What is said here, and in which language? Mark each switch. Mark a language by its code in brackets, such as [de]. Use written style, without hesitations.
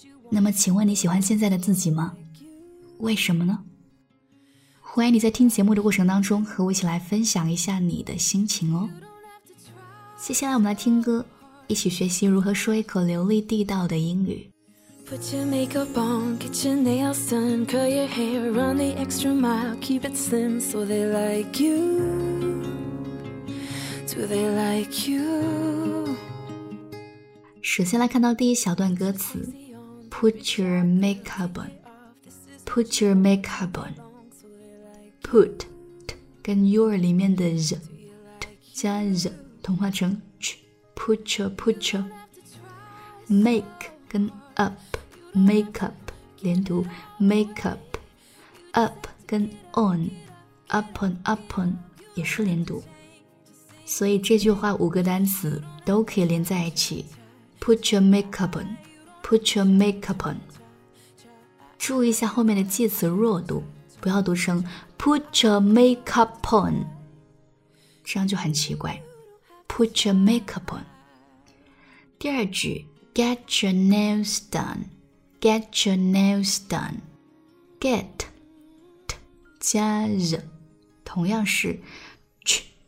[zh] 那么请问你喜欢现在的自己吗？为什么呢？欢迎你在听节目的过程当中和我一起来分享一下你的心情哦。接下来我们来听歌，一起学习如何说一口流利地道的英语。 [en] Put your makeup on, get your nails done, curl your hair, run the extra mile, keep it slim so they like you. Do they like you? [zh] 首先来看到第一小段歌词 [en] ，Put your makeup on, put your makeup on, put 跟 your 里面的 z 加 z [zh] 同化成 [en] ch, put your make 跟 up. [zh] Makeup 连读 makeup, up 跟 on, upon upon 也是连读，所以这句话五个单词都可以连在一起。 [en] Put your makeup on, put your makeup on. [zh] 注意一下后面的介词弱读，不要读成 [en] put your makeup on, [zh] 这样就很奇怪。 [en] Put your makeup on. [zh] 第二句 [en] get your nails done. Get your nails done. Get t 加 z [zh] 同样是 [en] ch.